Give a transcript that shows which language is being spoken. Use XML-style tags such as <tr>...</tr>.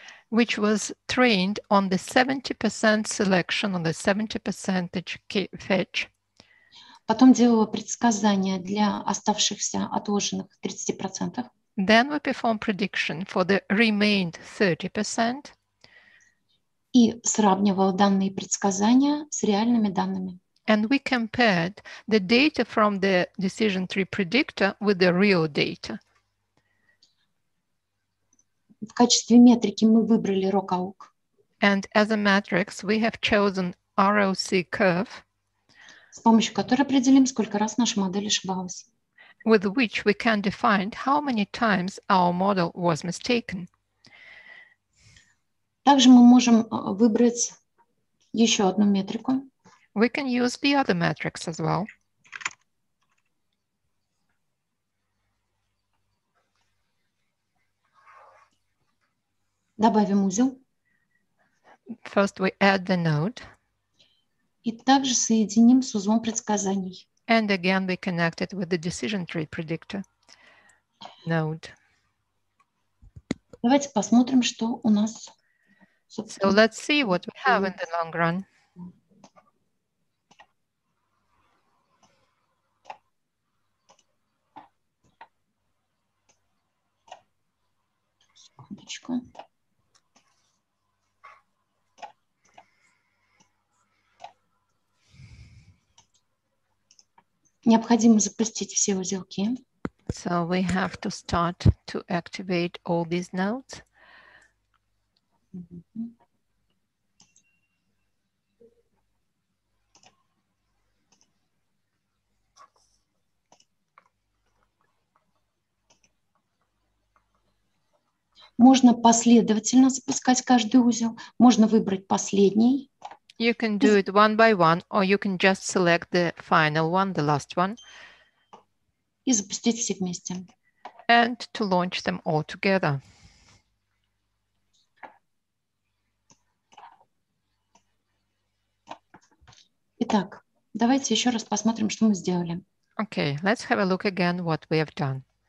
<en>which was trained on the 70% selection, on the 70% fetch.</en> <ru>Потом делала предсказания для оставшихся отложенных 30%.</ru> <en>Then we perform prediction for the remained 30%.</en> <ru>И сравнивала данные предсказания с реальными данными.</ru> <en>And we compared the data from the decision tree predictor with the real data.</en> <ru>В качестве метрики мы выбрали ROC-AUK.</ru> <en>And as a matrix, we have chosen ROC curve.</en> <ru>С помощью которой определим, сколько раз наша модель ошибалась.</ru> <en>With which we can define how many times our model was mistaken.</en> <ru>Также мы можем выбрать еще одну метрику.</ru> <en>We can use the other metrics as well.</en> <ru>Добавим узел.</ru> <en>First we add the node.</en> <ru>И также соединим с узлом предсказаний.</ru> <en>And again we connect it with the decision tree predictor node.</en> <ru>Давайте посмотрим, что у нас.</ru> <en>So let's see what we have in the long run.</en> <ru>секундочку. Необходимо запустить все узелки.</ru> <en>So we have to start to activate all these nodes.</en> <ru>Можно последовательно запускать каждый узел, можно выбрать последний.</ru> <en>You can do it one by one, or you can just select the final one, the last one.</en> <ru>И запустить все вместе.</ru> <en>And to launch them all together.</en> <ru>Итак, давайте еще раз посмотрим, что мы сделали.</ru> <en>Okay, let's have a look again what we have done.</en>